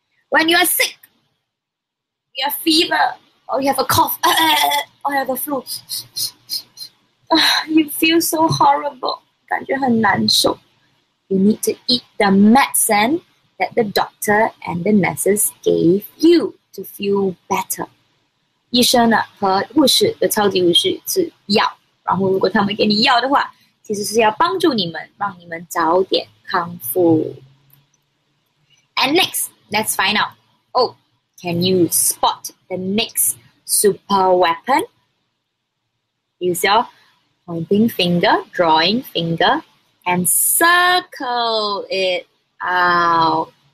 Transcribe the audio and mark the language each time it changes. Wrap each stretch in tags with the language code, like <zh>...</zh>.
<en>When you are sick, you have fever, or you have a cough, or you have a flu. You feel so horrible.</en> <zh>感觉很难受.</zh> <en>You need to eat the medicine that the doctor and the nurses gave you to feel better.</en> <zh>医生和护士的超级武士是药, 然后如果他们给你药的话, 其实是要帮助你们, 让你们早点康复.</zh> <en>And next, let's find out. Oh, can you spot the next super weapon? Use your pointing finger, drawing finger, and circle it out.</en>